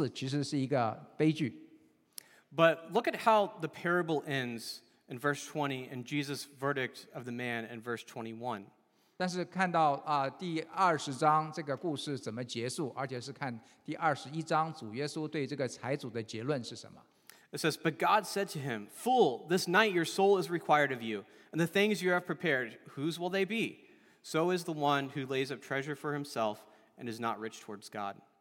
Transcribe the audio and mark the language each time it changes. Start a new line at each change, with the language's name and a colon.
Chinese: 按照今天的标准，我们会认为说这一个有钱的财主，他其实一个很成功的人士，他英年早逝，其实是一个悲剧。
English: But look at how the parable ends in verse 20 and Jesus' verdict of the man in verse 21.
Chinese: 但是看到第20章这个故事怎么结束，而且是看第21章主耶稣对这个财主的结论是什么。
English: It says, But God said to him, Fool, this night your soul is required of you, and the things you have prepared, whose will they be? So is the one who lays up treasure for himself and is not rich towards God.